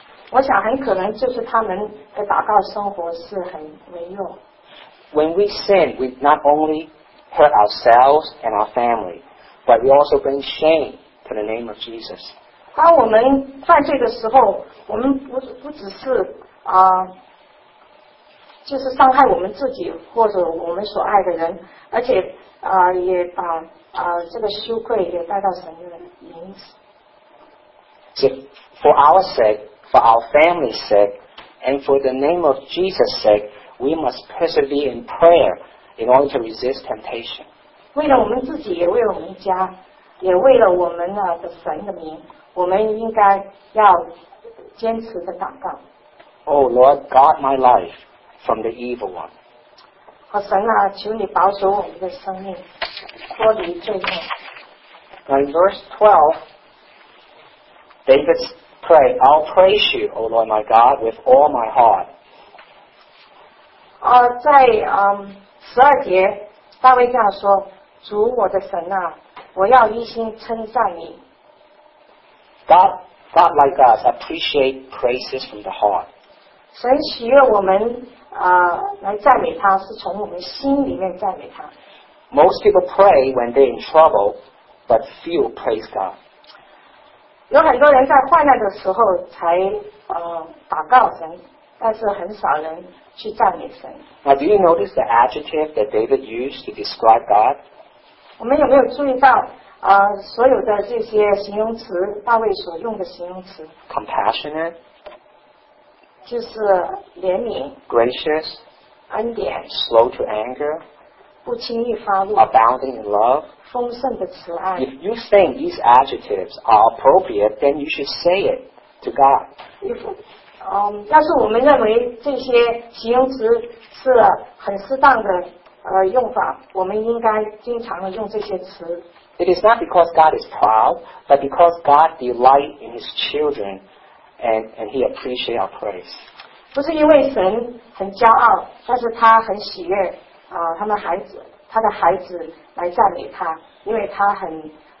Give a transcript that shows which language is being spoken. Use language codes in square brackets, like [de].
[zh] 我想很可能就是他们的祷告生活是很微弱。 [en] When we sin, we not only hurt ourselves and our family, but we also bring shame to the name of Jesus. [zh] 当我们犯罪的时候，我们 不只是、就是伤害我们自己或者我们所爱的人，而且、也把、这个羞愧也带到神的名字。 [en] So, for our sake, for our family's sake, and for the name of Jesus' sake,We must persevere in prayer in order to resist temptation. [zh] 为了我们自己，也为了我们家，也为了我们的神的名，我们应该要坚持的祷告。 [en] Oh Lord, guard my life from the evil one. [zh] 好神啊，求你保守我们的生命，脱离罪恶。 [en] Now in verse 12, David prayed, I'll praise you, O Lord my God, with all my heart. [zh] 在十二节，大卫这样说：“主我的神啊，我要一心称赞你。” [en] God like us appreciate praises from the heart. [zh] 神喜悦我们来赞美他，是从我们心里面赞美他。 [en] Most people pray when they're in trouble, but few praise God. [zh] 有很多人在患难的时候才祷告神，但是很少人。去赞美神。 [en] Now, do you notice the adjective that David used to describe God? [zh] 我们有没有注意到、所有的这些形容词，大卫所用的形容词 [en] ？Compassionate， [zh] 就是怜悯 [en] ；Gracious， [zh] 恩典 [en] ；Slow to anger， [zh] 不轻易发怒 [en] ；Abounding in love， [zh] 丰盛的慈爱。 [en] If you think these adjectives are appropriate, then you should say it to God. [zh] If要是我们认为这些形容词是很适当的用法，我们应该经常的用这些词。 [en] It is not because God is proud, but because God delights in His children, and He appreciates our praise. [zh] 不是因为神很骄傲，但是他很喜悦他们孩子，他的孩子来赞美他，因为他很。